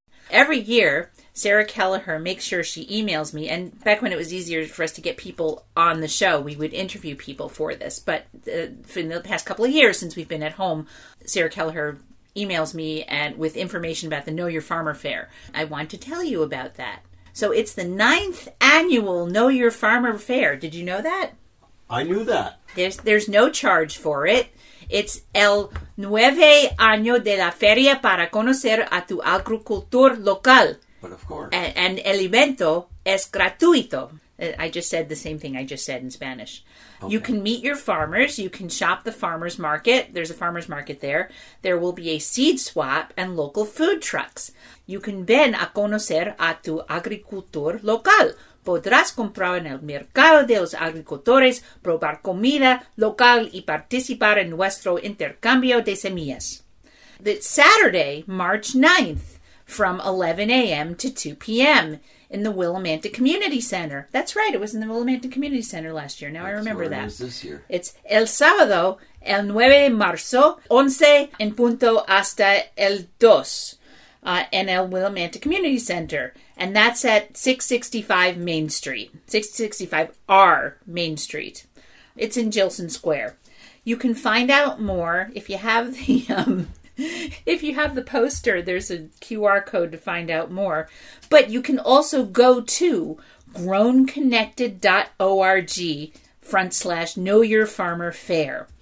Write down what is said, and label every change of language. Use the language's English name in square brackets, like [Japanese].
[English] Every year, Sarah Kelleher makes sure she emails me, and back when it was easier for us to get people on the show, we would interview people for this, but in the past couple of years since we've been at home, Sarah Kelleher emails me and with information about the Know Your Farmer Fair. I want to tell you about that. So it's the 9th annual Know Your Farmer Fair. Did you know that? I knew that. There's no charge for it. It's [Spanish] el 9 año de la feria para conocer a tu agricultor local. [English] But of course. And [Spanish] el evento es gratuito. [English] I just said the same thing I just said in Spanish. Okay. You can meet your farmers. You can shop the farmer's market. There's a farmer's market there. There will be a seed swap and local food trucks. You can [Spanish] ven a conocer a tu agricultor local. Podrás comprar en el mercado de los agricultores, probar comida local y participar en nuestro intercambio de semillas. [English] It's Saturday, March 9th. From 11 a.m. to 2 p.m. in the Willimantic Community Center. That's right, it was in the Willimantic Community Center last year. Now That's I remember where that. It is this year. It's [Spanish] el sábado, el 9 de marzo, 11 en punto hasta el 2, en el Willimantic Community Center. [English] And that's at 665 Main Street, 665 R Main Street. It's in Gilson Square. You can find out more if you have the... If you have the poster, there's a QR code to find out more. But you can also go to grownconnected.org/KnowYourFarmerFair.